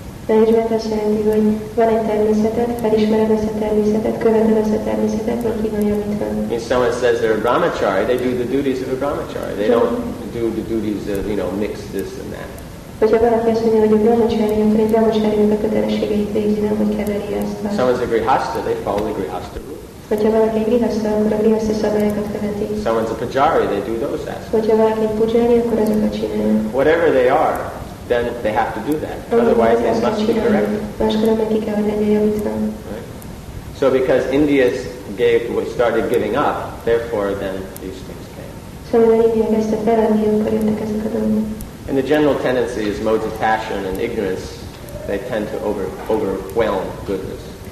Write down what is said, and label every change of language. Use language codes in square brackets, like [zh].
[hu] Management azt jelenti, hogy van egy természetet, felismered ezt a természetet, követed ezt a természetet, hogy ki van javítva. [en] If someone says they're a brahmachari, they do the duties of a brahmachari. They don't do the duties of, you know, mix this and that. [hu] Hogyha valaki azt mondja, hogy a brahmachari, akkor egy brahmacharinak a kötelességeit végzi, nem hogy keveri ezt. [en] Someone's a grihasta, they follow the grihasta rule. [hu] Hogyha valaki egy grihasta, akkor a grihasta szabályokat követi. [en] Someone's a pujari, they do those aspects. [hu] Hogyha valaki egy pujari, akkor azokat csinálja. [en] Whatever they are, then they have to do that. Otherwise, they must be corrected. Right? So because India started giving up, therefore then these things came. And the general tendency is modes of passion and ignorance, they tend to overwhelm goodness.